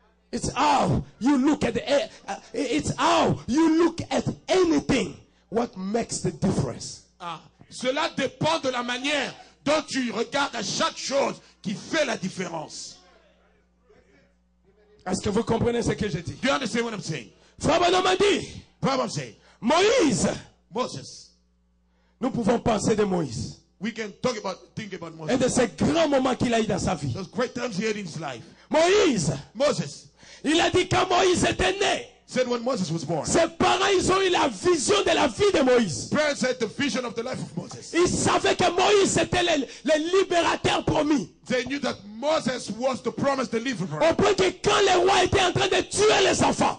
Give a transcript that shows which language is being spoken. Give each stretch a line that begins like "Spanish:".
English: It's how you look at it's how you look at anything. What makes the difference?
French: Ah, cela dépend de la manière dont tu regardes à chaque chose qui fait la différence. Est-ce que vous comprenez ce que j'ai dit?
English: Do you understand what I'm saying?
French: Frère m'a dit.
English: Frère saying.
French: Moïse.
English: Moses.
French: Nous pouvons penser de Moïse.
English: We can talk about, think about Moses.
French: Et de ces grands moments qu'il a eu dans sa vie.
English: Those great times he had in his life.
French: Moïse.
English: Moses.
French: Il a dit quand Moïse était né.
English: Said when Moses was born.
French: Ses parents ils ont eu la vision de la vie de Moïse.
English: Parents had the vision of the life of Moses.
French: Ils savaient que Moïse était le libérateur promis.
English: They knew that Moses was the promised deliverer.
French: Au point que quand les rois étaient en train de tuer les enfants.